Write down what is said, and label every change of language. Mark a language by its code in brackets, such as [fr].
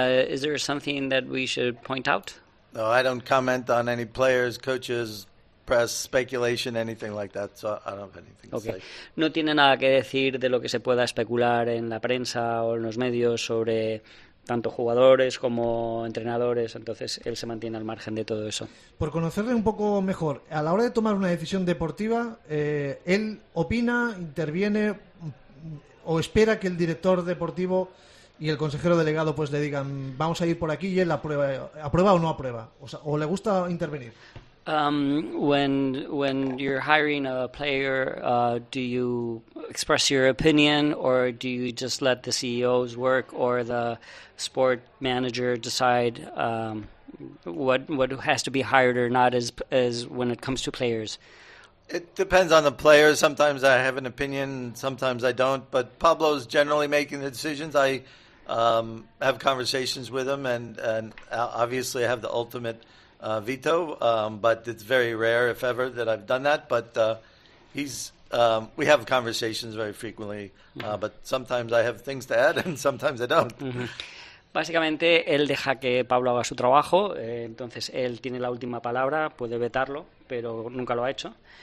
[en] Is there something that we should point out? No, I don't comment on any players, coaches, press, speculation, anything like that. So I don't have anything okay to say. [es] No tiene nada que decir de lo que se pueda especular en la prensa o en los medios sobre tanto jugadores como entrenadores, entonces él se mantiene al margen de todo eso. Por conocerle un poco mejor, a la hora de tomar una decisión deportiva, ¿él opina, interviene o espera que el director deportivo y el consejero delegado pues le digan vamos a ir por aquí y él aprueba o no aprueba? O sea, ¿o le gusta intervenir? [en] When you're hiring a player, do you express your opinion or do you just let the CEOs work or the sport manager decide what has to be hired or not as when it comes to players? It depends on the players. Sometimes I have an opinion, sometimes I don't, but Pablo's generally making the decisions. I have conversations with him and obviously I have the ultimate veto, but it's very rare, if ever, that I've done that. But we have conversations very frequently, but sometimes I have things to add and sometimes I don't. [es] Básicamente, él deja que Pablo haga su trabajo, entonces él tiene la última palabra, puede vetarlo, pero nunca lo ha hecho.